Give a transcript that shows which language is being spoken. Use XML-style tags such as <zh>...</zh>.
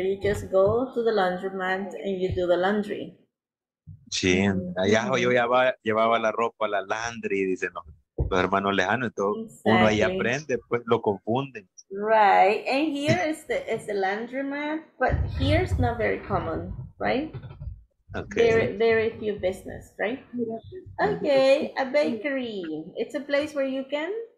<en>You just go to the laundromat and you do the laundry.</en> <es>Sí. Allá yo llevaba la ropa a la laundry, dicen los hermanos lejanos. Entonces, uno ahí aprende, pues lo confunden.</es> <en>Right. And here is the laundromat, but here's not very common, right? Okay. Very few business, right? Okay, a bakery. It's a place where you can</en>